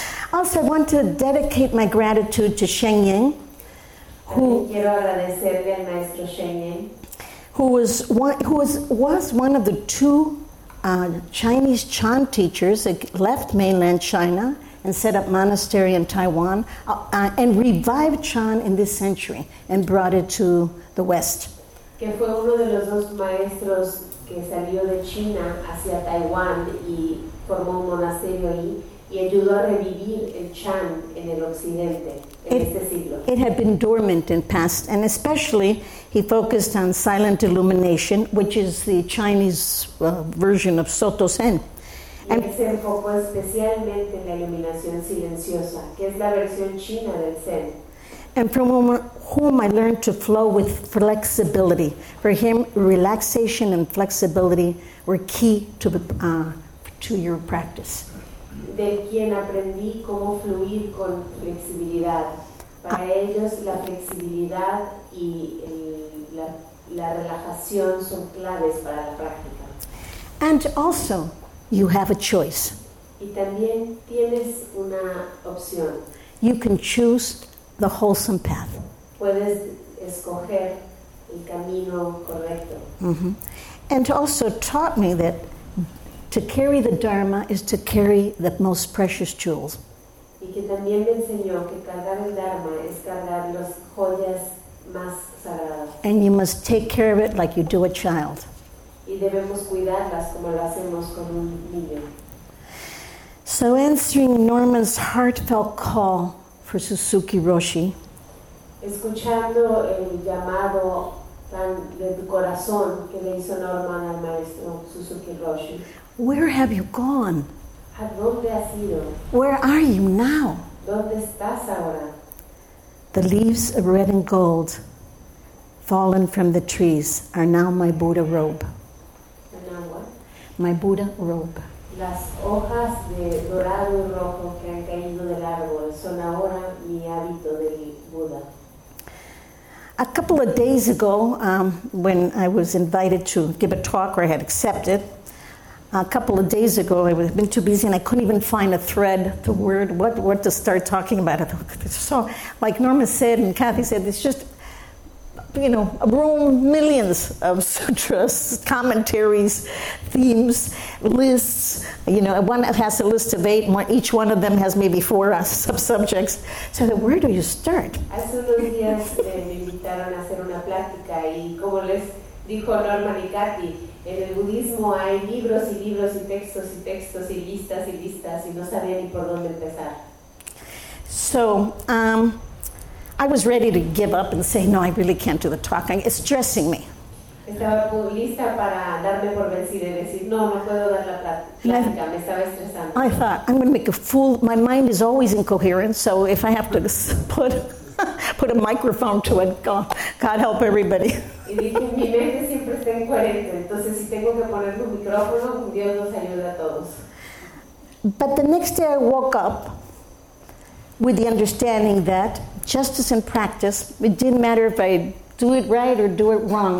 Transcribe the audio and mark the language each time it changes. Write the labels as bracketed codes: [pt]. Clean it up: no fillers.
[en] Also, I want to dedicate my gratitude to Sheng Ying, who was one of the two Chinese Chan teachers that left mainland China and set up monastery in Taiwan and revived Chan in this century and brought it to the West. [es] Que fue uno de los dos maestros que salió de China hacia Taiwán y formó un monasterio ahí y ayudó a revivir el Chan en el occidente en este siglo. [en] It had been dormant in past, and especially he focused on silent illumination, which is the Chinese version of Soto Zen. [es] And se enfocó especialmente en la iluminación silenciosa, que es la versión china del Zen. [en] And from whom I learned to flow with flexibility. For him, relaxation and flexibility were key to your practice. [es] De quien aprendí cómo fluir con flexibilidad. Para ellos, la flexibilidad y la relajación son claves para la práctica. [en] And also, you have a choice. [es] Y también tienes una opción. [en] You can choose the wholesome path. [es] Puedes escoger el camino correcto. Mm-hmm. [en] And also taught me that to carry the Dharma is to carry the most precious jewels. [es] Y que también me enseñó que cargar el Dharma es cargar las joyas más sagradas. [en] And you must take care of it like you do a child. [es] Y debemos cuidarlas como lo hacemos con un niño. [en] So answering Norma's heartfelt call for Suzuki Roshi. [es] Escuchando el llamado tan de tu corazón que le hizo Norman al maestro Suzuki Roshi. [en] Where have you gone? [es] ¿A dónde has ido? [en] Where are you now? [es] ¿Dónde estás ahora? [en] The leaves of red and gold fallen from the trees are now my Buddha robe. And now what? My Buddha robe. [es] Las hojas de dorado y rojo que han caído del árbol son ahora mi hábito del Buda. [en] A couple of days ago, when I was invited to give a talk or I had accepted, a couple of days ago, I had been too busy and I couldn't even find a thread, the word, what to start talking about. So, like Norma said and Kathy said, it's just, you know, a room, millions of sutras, commentaries, themes, lists. You know, one has a list of eight, and each one of them has maybe four subjects. So, where do you start? [es] Hace unos días me invitaron a hacer una plática, y como les dijo Norma y Kathy, en el budismo hay libros y libros y textos y textos y listas, y no sabía ni por dónde empezar. [en] So, I was ready to give up and say, no, I really can't do the talk. It's stressing me. [es] Estaba lista para darme por vencida y decir, no, no puedo dar la plática. Me estaba estresando. [en] I thought, I'm going to make a fool. My mind is always incoherent, so if I have to put a microphone to it, God help everybody. [es] Y dije, mi mente siempre está incoherente. Entonces, si tengo que poner un micrófono, Dios nos ayuda a todos. [en] But the next day I woke up with the understanding that just as in practice, it didn't matter if I do it right or do it wrong.